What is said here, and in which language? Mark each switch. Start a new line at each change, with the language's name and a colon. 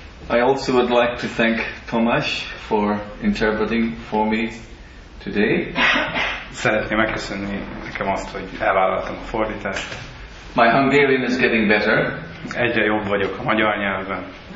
English: I also would like to thank Tomás for interpreting for me today.
Hungarian: Szeretném megköszönni nekem azt, hogy elvállaltam a fordítást.
English: My Hungarian is getting better.
Hungarian: Egyre jobb vagyok a magyar nyelven.